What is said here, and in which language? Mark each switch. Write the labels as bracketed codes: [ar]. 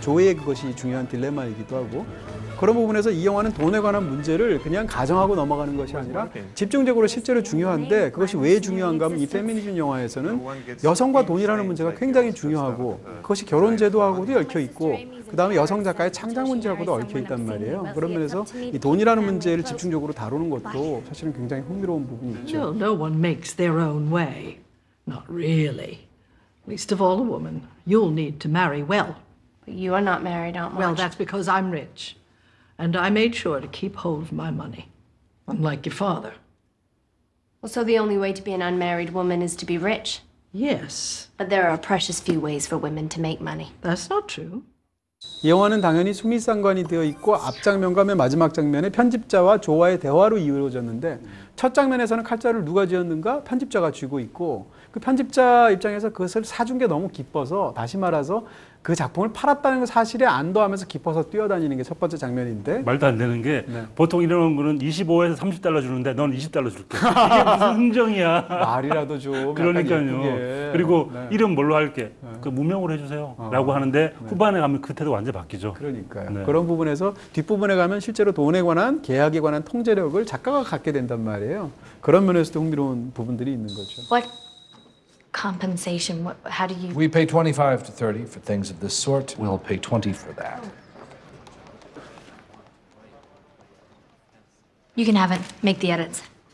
[ko] 조회의 그것이 중요한 딜레마이기도 하고 그런 부분에서 이 영화는 돈에 관한 문제를 그냥 가정하고 넘어가는 것이 아니라 집중적으로 실제로 중요한데 그것이 왜 중요한가 하면 이 페미니즘 영화에서는 여성과 돈이라는 문제가 굉장히 중요하고 그것이 결혼 제도하고도 얽혀 있고 그 다음에 여성 작가의 창작 문제하고도 얽혀 있단 말이에요. 그런 면에서 이 돈이라는 문제를 집중적으로 다루는 것도 사실은 굉장히 흥미로운 부분이 있죠. [en] No, no one makes their own way. Not really. Least of all a woman. You'll need to marry well. But you are not married, Aunt Marge. Well, that's because I'm rich. And I made sure to keep hold of my money, unlike your father. Well, so the only way to be an unmarried woman is to be rich? Yes. But there are precious few ways for women to make money. That's not true. [ko] 이 영화는 당연히 수미상관이 되어 있고 앞장면과 맨 마지막 장면에 편집자와 조화의 대화로 이루어졌는데 첫 장면에서는 칼자루를 누가 쥐었는가? 편집자가 쥐고 있고 그 편집자 입장에서 그것을 사준 게 너무 기뻐서 다시 말해서 그 작품을 팔았다는 사실에 안도하면서 기뻐서 뛰어다니는 게 첫 번째 장면인데 말도 안 되는 게 네. 보통 이런 거는 25에서 $30 주는데 넌 $20 줄게. 이게 무슨 흥정이야. 말이라도 줘. 그러니까요. 그리고 네. 이름 뭘로 할게. 네. 그 무명으로 해주세요. 라고 하는데 후반에 네. 가면 그 태도 완전 바뀌죠. 그러니까요. 네. 그런 부분에서 뒷부분에 가면 실제로 돈에 관한 계약에 관한 통제력을 작가가 갖게 된단 말이에요. 그런 면에서도 흥미로운 부분들이 있는 거죠. [en] What? Compensation, what, how do you... We pay 25 to 30 for things of this sort. We'll pay 20 for that. You can have it. Make the edits.